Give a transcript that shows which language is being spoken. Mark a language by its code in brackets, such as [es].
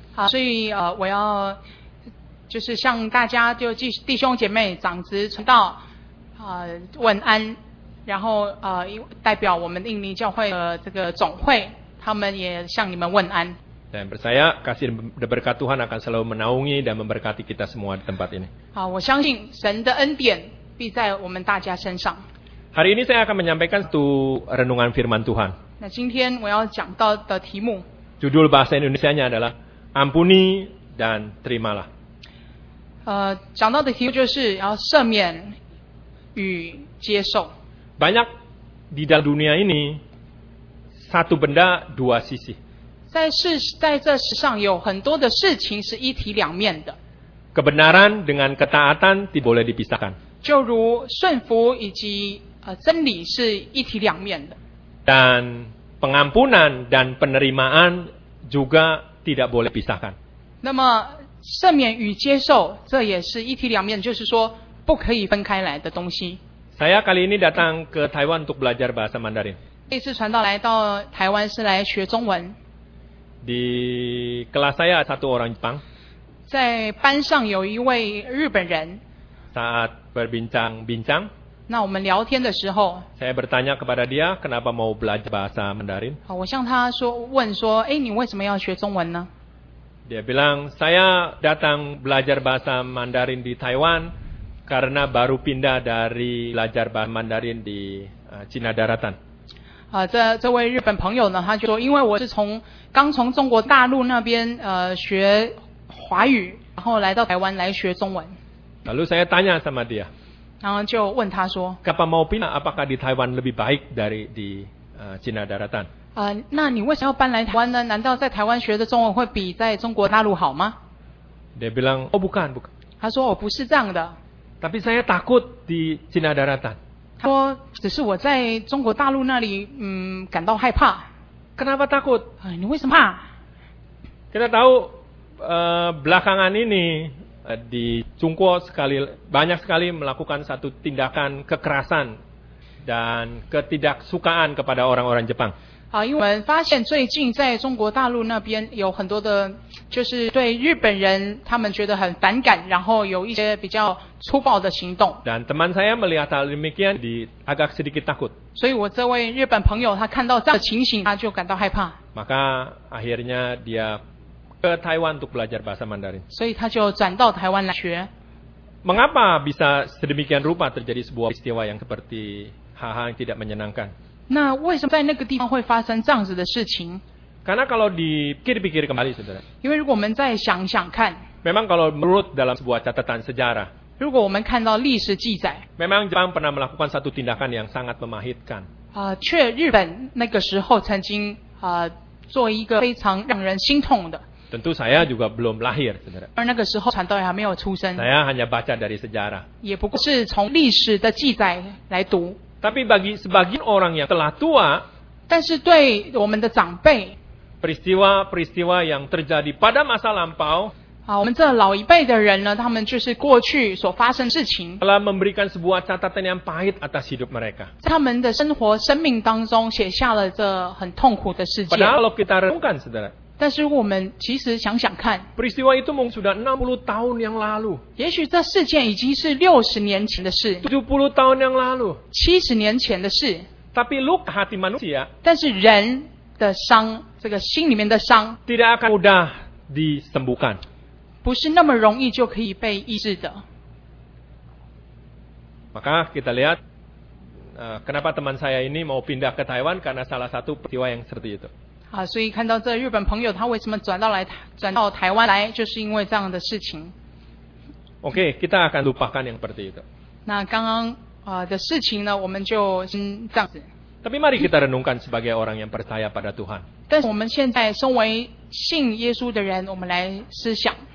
[zh] 好，所以我要就是向大家就弟兄姐妹长子传道问安，然后代表我们印尼教会的这个总会，他们也向你们问安。 [id] Dan percaya kasih dan berkat Tuhan akan selalu menaungi dan memberkati kita semua di tempat ini. [zh] 好，我相信神的恩典必在我们大家身上。 [id] Hari ini saya akan menyampaikan satu renungan firman Tuhan. [zh] Nah, 今天我要讲到的题目 [id] judul bahasa Indonesianya adalah Ampuni dan Terimalah. [zh] 讲到的题目就是要赦免与接受。 [id] Banyak di dalam dunia ini satu benda dua sisi. [zh] 在这世上有很多的事情是一体两面的。 [id] Kebenaran dengan ketaatan tidak boleh dipisahkan. [zh] 就如顺服以及真理是一体两面的。 [id] Dan pengampunan dan penerimaan juga tidak boleh pisahkan. [zh] 那么赦免与接受这也是一体两面，就是说不可以分开来的东西。 [id] Saya kali ini datang ke Taiwan untuk belajar bahasa Mandarin. [zh] 这次传道来到台湾是来学中文。 [id] Di kelas saya satu orang Jepang. [zh] 在班上有一位日本人。 [id] Saat berbincang-bincang. [zh] 那我们聊天的时候 [id] saya bertanya kepada dia kenapa mau belajar bahasa Mandarin. [zh] 好，我向他说问说，哎，你为什么要学中文呢？ [id] Dia bilang saya datang belajar bahasa Mandarin di Taiwan karena baru pindah dari belajar bahasa Mandarin di Cina Daratan. [zh] 这位日本朋友呢，他就说因为我是从刚从中国大陆那边学华语，然后来到台湾来学中文。 [id] Lalu saya tanya sama dia. [zh] 然后就问他说 [id] Kapan mau pindah? Apakah di Taiwan lebih baik dari di Cina Daratan? [zh] 那你为什么要搬来台湾呢？难道在台湾学的中文会比在中国大陆好吗？ [id] Dia bilang, oh bukan, bukan. [zh] 他说我不是这样的。 [id] Tapi saya takut di Cina Daratan. [zh] 他说只是我在中国大陆那里感到害怕。 [id] Kenapa takut? [zh] 你为什么怕？ [id] Kita tahu belakangan ini,di Cungkuo sekali banyak sekali melakukan satu tindakan kekerasan dan ketidaksukaan kepada orang-orang Jepang. [zh] 好，因为我们发现最近在中国大陆那边有很多的，就是对日本人他们觉得很反感，然后有一些比较粗暴的行动。 [id] Dan teman saya melihat hal demikian di agak sedikit takut. [zh] 所以我这位日本朋友他看到这样的情形，他就感到害怕。 [id] Maka akhirnya dia ke Taiwan untuk belajar bahasa Mandarin. [zh] 所以他就转到台湾来学。 [id] Mengapa bisa sedemikian rupa terjadi sebuah peristiwa yang seperti hal-hal yang tidak menyenangkan? [zh] 那为什么在那个地方会发生这样子的事情？ [id] Karena kalau dipikir-pikir kembali, saudara. [zh] 因为如果我们再想想看。 [id] Memang kalau menurut dalam sebuah catatan sejarah. [zh] 如果我们看到历史记载。 [id] Memang Jepang pernah melakukan satu tindakan yang sangat memahitkan. [zh] 却日本那个时候曾经做一个非常让人心痛的。 [id] Tentu saya juga belum lahir, saudara. [zh] 而那个时候传道还没有出生。 [id] Saya hanya baca dari sejarah. [zh] 也不过是从历史的记载来读。 [id] Tapi bagi sebagian orang yang telah tua, [zh] 但是对我们的长辈 [id] peristiwa-peristiwa yang terjadi pada masa lampau, [zh] 我们这老一辈的人呢，他们就是过去所发生事情 [id] telah memberikan sebuah catatan yang pahit atas hidup mereka. [zh] 他们的生活生命当中写下了这很痛苦的事件。 [id] Padahal kalau kita renungkan, saudara. [zh] 但是我们其实想想看 [id] peristiwa itu mungkin sudah 60 tahun yang lalu [zh] 也许这事件已经是60年前的事 [id] 70 tahun yang lalu [zh] 70年前的事 [id] tapi luka hati manusia [zh] 但是人的伤这个心里面的伤 [id] tidak akan mudah disembuhkan [zh] 不是那么容易就可以被医治的 [id] maka kita lihatkenapa teman saya ini mau pindah ke Taiwan karena salah satu peristiwa yang seperti itu [zh] 所以看到这日本朋友他为什么转到台湾来就是因为这样的事情 [id] OK kita akan lupakan yang seperti itu [zh] 那刚刚的事情呢我们就先这样子 [id] Tapi mari kita renungkan sebagai orang yang percaya pada Tuhan. [zh] 但是我们现在身为信耶稣的人，我们来思想。